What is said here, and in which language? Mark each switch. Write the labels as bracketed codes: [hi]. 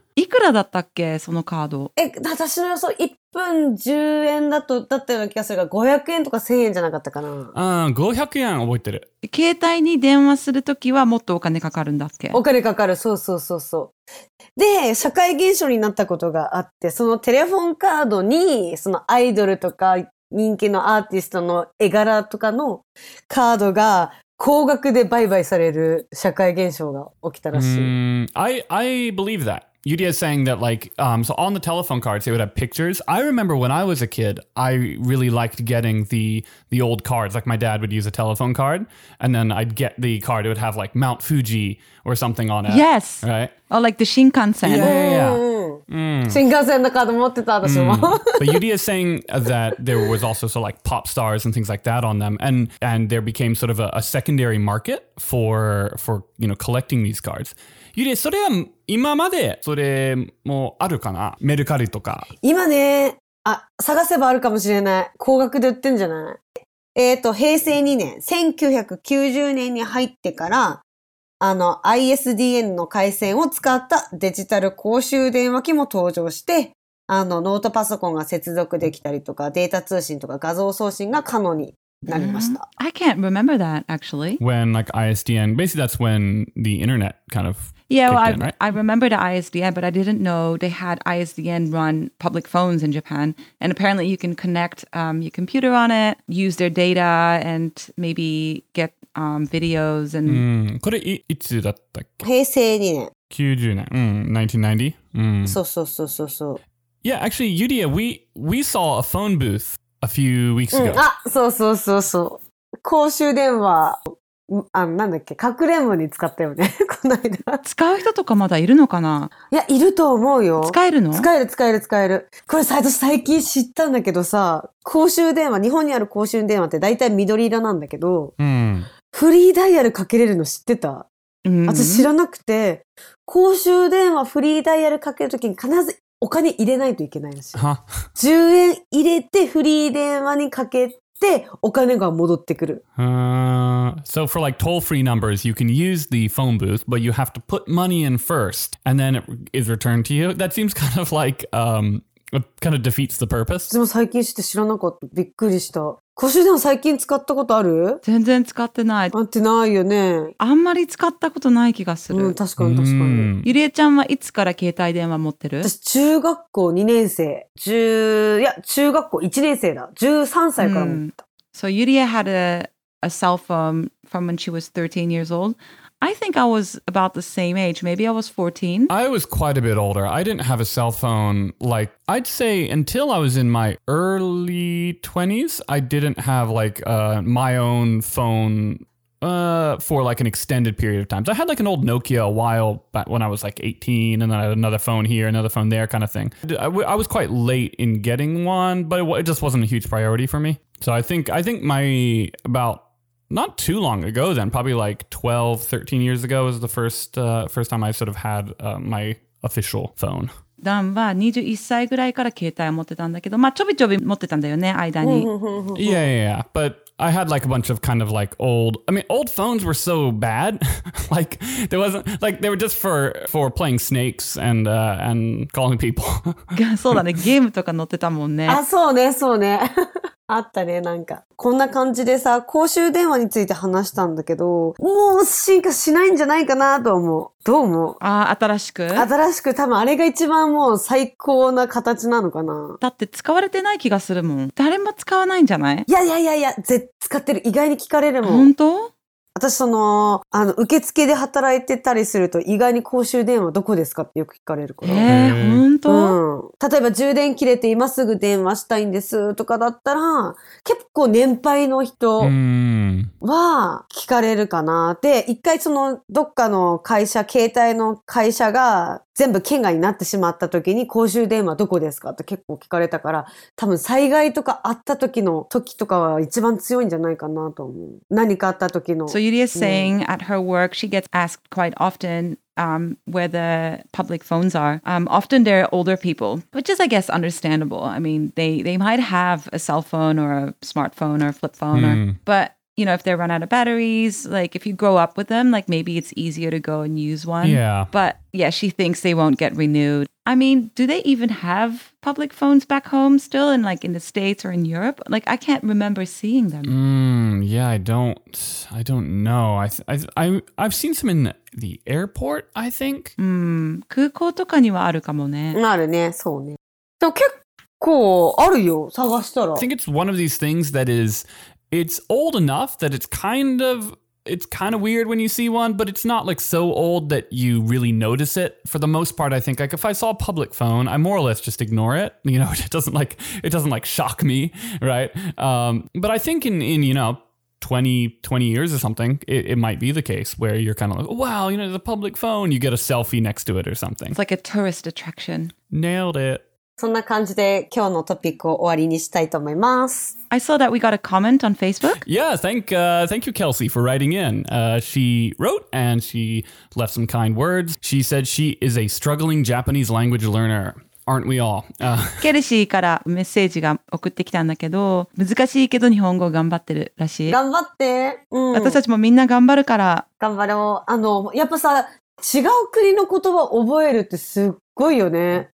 [ja] いくらだったっけ、そのカード。え、私の予想、1分10円だと、だったような気がするが、500円とか1000円じゃなかったかな。 500円覚えてる。携帯に電話するときはもっとお金かかるんだっけ？お金かかる、そうそうそうそう。で、社会現象になったことがあって、そのテレフォンカードに、そのアイドルとか人気のアーティストの絵柄とかのカードが高額で売買される社会現象が起きたらしい。 [en] I believe that. Yudia is saying that like, so on the telephone cards, they would have pictures. I remember when I was a kid, I really liked getting the old cards. Like my dad would use a telephone card and then I'd get the card. It would have like Mount Fuji or something on it. Yes. Right? Oh, like the Shinkansen. Yeah, yeah, yeah. [ja] Mm. Shinkansen card 持ってた私も。Mm. [en] But Yudi is saying that there was also so like pop stars and things like that on them, and there became sort of a secondary market for you know collecting these cards. [ja] Yudi, それは今までそれもあるかな？メルカリとか。今ね、あ、探せばあるかもしれない。高額で売ってんじゃない？平成2年、1990年に入ってから。あの、ISDN の回線を使ったデジタル公衆電話機も登場して、あの、ノートパソコンが接続できたりとか、データ通信とか画像送信が可能になりました。 [en] I can't remember that, actually. When, like, ISDN, basically that's when the internet kind of Yeah, well, in, right? I remember the ISDN, but I didn't know they had ISDN run public phones in Japan. And apparently you can connect your computer on it, use their data, and maybe get... videos and... [ja] Mm. これ、いつだったっけ？平成2年。 90年。Mm. 1990. Mm. そうそうそうそう。 [en] Yeah, actually, Yudia, we saw a phone booth a few weeks ago. [ja] あ、そうそうそうそう。公衆電話、あ、なんだっけ、かくれんぼに使ったよね、この間。使う人とかまだいるのかな？いや、いると思うよ。使えるの？使える使える使える。これ、私最近知ったんだけどさ、公衆電話、日本にある公衆電話って大体緑色なんだけど、 mm. フリーダイヤルかけれるの知ってた、うん、私知らなくて公衆電話フリーダイヤルかけるときに必ずお金入れないといけないらしい10円入れてフリー電話にかけてお金が戻ってくる [en] So for like toll free numbers you can use the phone booth but you have to put money in first and then it is returned to you that seems kind of like kind of defeats the purpose. [ja] でも最近して知らなかった。びっくりした。公衆電話最近使ったことある？全然使ってない。使ってないよね。あんまり使ったことない気がする。うん、確かに確かに。ゆりえちゃんはいつから携帯電話持ってる？私中学校2年生。中学校1年生だ。 13歳から持った。 [en] So Yuria had a cell phone from when she was 13 years old. I think I was about the same age. Maybe I was 14. I was quite a bit older. I didn't have a cell phone. Like, I'd say until I was in my early 20s, I didn't have like my own phone for like an extended period of time. So I had like an old Nokia a while back when I was like 18, and then I had another phone here, another phone there kind of thing. I was quite late in getting one, but it just wasn't a huge priority for me. So I think my about not too long ago then, probably like 12, 13 years ago was the first time I sort of had my official phone. [ja] ダンは21歳ぐらいから携帯を持ってたんだけど、まあちょびちょび持ってたんだよね、間に。 [en] Yeah. But I had like a bunch of kind of like old, I mean, old phones were so bad. Like there wasn't, like they were just for playing snakes and calling people. [ja] そうだね、ゲームとか乗ってたもんね。あ、そうね、そうね。あったね、なんか。こんな感じでさ、公衆電話について話したんだけど、もう進化しないんじゃないかなと思う。どう思う？ああ、新しく、多分あれが一番もう最高な形なのかな。だって使われてない気がするもん。誰も使わないんじゃない？いや、絶対使ってる。意外に聞かれるもん。本当？私あの受付で働いてたりすると意外に公衆電話どこですかってよく聞かれるから。本当？例えば充電切れて今すぐ電話したいんですとかだったら結構年配の人は聞かれるかな。で、一回そのどっかの会社、携帯の会社が全部県外になってしまった時に公衆電話どこですかって結構聞かれたから、多分災害とかあった時の時とかは一番強いんじゃないかなと思う。何かあった時の。 [en] So Yuri is saying at her work, she gets asked quite often where the public phones are. Often they're older people, which is, I guess, understandable. I mean, they might have a cell phone or a smartphone or a flip phone, but you know, if they run out of batteries, like if you grow up with them, like maybe it's easier to go and use one. Yeah. But yeah, she thinks they won't get renewed. I mean, do they even have public phones back home still in like in the States or in Europe? Like, I can't remember seeing them. I don't know. I've seen some in the airport, I think. [ja] 空港とかにはあるかもね。あるね、そうね。でも結構あるよ、探したら。 [en] I think it's one of these things that is... It's old enough that it's kind of weird when you see one, but it's not like so old that you really notice it for the most part. I think like if I saw a public phone, I more or less just ignore it. You know, it doesn't shock me. Right. But I think in, you know, 20 years or something, it might be the case where you're kind of like, wow, you know, the public phone, you get a selfie next to it or something. It's like a tourist attraction. Nailed it. [ja] そんな感じで今日のトピックを終わりにしたいと思います。 [en] I saw that we got a comment on Facebook. Yeah, thank you, Kelsey, for writing in. She wrote and she left some kind words. She said she is a struggling Japanese language learner. Aren't we all? [ja] Kelsey からメッセージが送ってきたんだけど、難しいけど日本語頑張ってるらしい。頑張って。うん。私たちもみんな頑張るから。頑張ろう。やっぱさ、違う国の言葉を覚えるってすっごいよね。